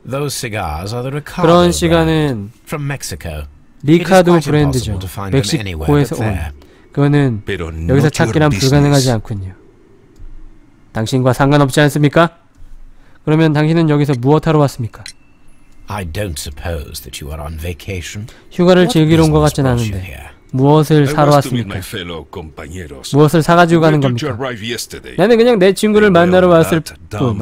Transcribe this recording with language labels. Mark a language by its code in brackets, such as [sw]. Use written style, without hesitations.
[en] Those cigars are the Ricardo. [ko] 그런 시가는 [en] from Mexico. [ko] 리카도 브랜드죠. 멕시코에서 온. 그거는 여기서 찾기란 불가능하지 않군요. 당신과 상관없지 않습니까? 그러면 당신은 여기서 무엇하러 왔습니까? [en] I don't suppose that you are on vacation. [ko] 휴가를 즐기러 온 것 같진 않은데 무엇을 사러 왔습니까? 무엇을 사가지고 가는 겁니까? 나는 그냥 내 친구를 만나러 왔을 뿐.